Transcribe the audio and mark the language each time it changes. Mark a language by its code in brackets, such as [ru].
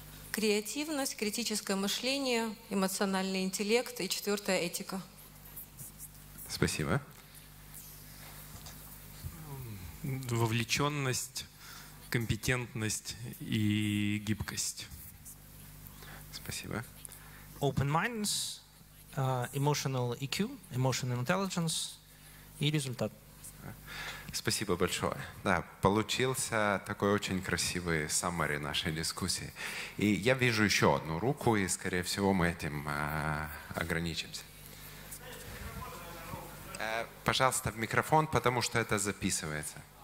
[uk] Креативність, критичне мислення, емоційний інтелект і четверта етика. [ru] Спасибо. Вовлеченность, компетентность и гибкость. Спасибо. [en] Open-mindedness, emotional EQ, emotional intelligence [ru] и результат. Спасибо большое. Да, получился такой очень красивый summary нашей дискуссии. И я вижу еще одну руку, и, скорее всего, мы этим ограничимся. Пожалуйста, в микрофон, потому что это записывается.